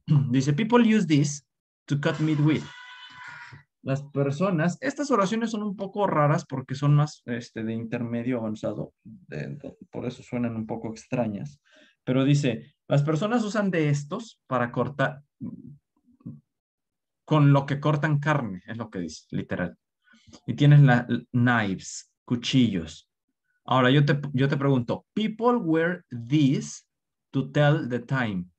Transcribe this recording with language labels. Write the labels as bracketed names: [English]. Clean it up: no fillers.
[Spanish] Dice, [English] people use this to cut meat with. [Spanish] Las personas, estas oraciones son un poco raras porque son más de intermedio avanzado, por eso suenan un poco extrañas. Pero dice, las personas usan de estos para cortar con lo que cortan carne, es lo que dice, literal. Y tienes las knives, cuchillos. Ahora yo te pregunto, [English] people wear these to tell the time.